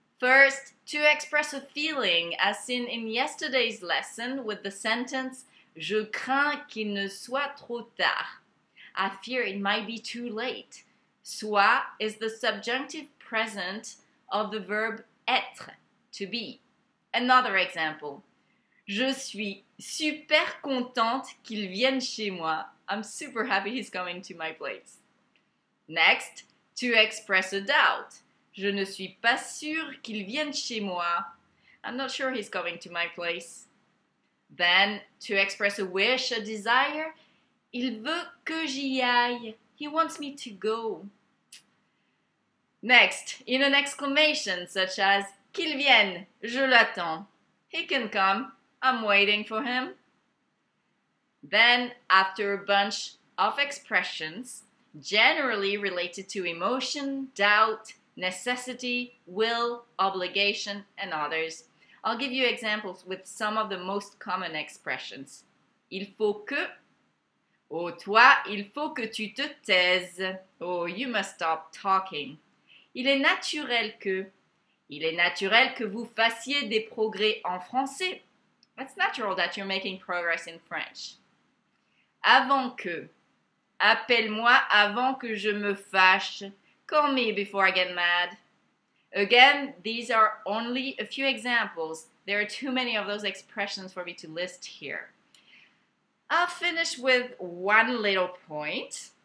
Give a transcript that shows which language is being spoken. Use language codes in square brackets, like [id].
[en] First, to express a feeling, as seen in yesterday's lesson with the sentence [fr] "Je crains qu'il ne soit trop tard." [en] I fear it might be too late. Soit is the subjunctive present of the verb être, to be. Another example: [fr] Je suis super contente qu'il vienne chez moi. [en] I'm super happy he's coming to my place. Next, to express a doubt: [fr] Je ne suis pas sûre qu'il vienne chez moi. [en] I'm not sure he's coming to my place. Then, to express a wish, a desire: [fr] Il veut que j'y aille. [en] He wants me to go. Next, in an exclamation such as [fr] qu'il vienne, je l'attends. [en] He can come, I'm waiting for him. Then, after a bunch of expressions generally related to emotion, doubt, necessity, will, obligation, and others, I'll give you examples with some of the most common expressions. [fr] Il faut que. Oh, toi, il faut que tu te taises. [en] Oh, you must stop talking. [fr] Il est naturel que. Il est naturel que vous fassiez des progrès en français. [en] It's natural that you're making progress in French. [fr] Avant que. Appelle-moi avant que je me fâche. [en] Call me before I get mad. Again, these are only a few examples. There are too many of those expressions for me to list here. I'll finish with one little point.